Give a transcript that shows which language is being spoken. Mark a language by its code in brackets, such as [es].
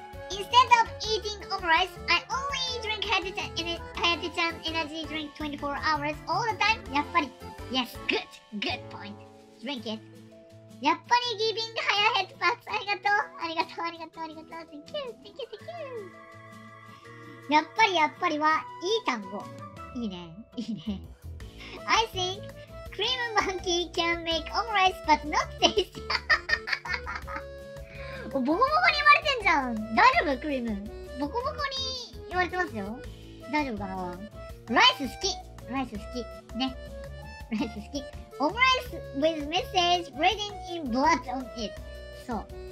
[en] Instead of eating omelette, I only drink Hayate-chan energy drink 24 hours all the time. やっぱり。Yes. Good. Good point. Drink it. [ja] やっぱりギビングハヤヘッドパッツありがとうありがとうありがとうありがとう [en] Thank you, thank you, thank you [ja] やっぱりやっぱりはいい単語。いいね、いいね。 [en] I think cream monkey can make omelette but not tasty. [ja] ボコボコに言われてんじゃん。大丈夫クリーム。ボコボコに言われてますよ。大丈夫かな。ライス好き。ライス好き。ね。ライス好き。 [en] オムライス with message written in blood on it. そう。